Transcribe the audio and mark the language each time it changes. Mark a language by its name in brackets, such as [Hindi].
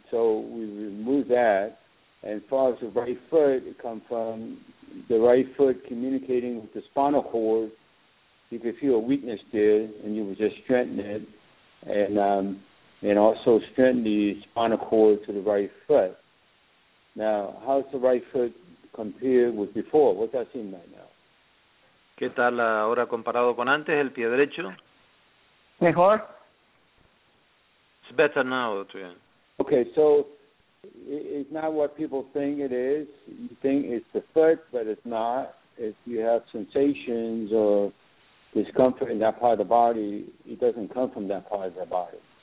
[English] So we remove that. And as far as the right foot, it comes from the right foot communicating with the spinal cord. You could feel a weakness there, and you would just strengthen it and also strengthen the spinal cord to the right foot. Now, how's the right foot compared with before? What's that seem right now? [Spanish] ¿Qué tal ahora comparado con antes, el pie derecho? Mejor. [English] It's better now, Adrian. Okay, so it's not what people think it is. You think it's the foot, but it's not. If you have sensations or discomfort in that part of the body, it doesn't come from that part of the body.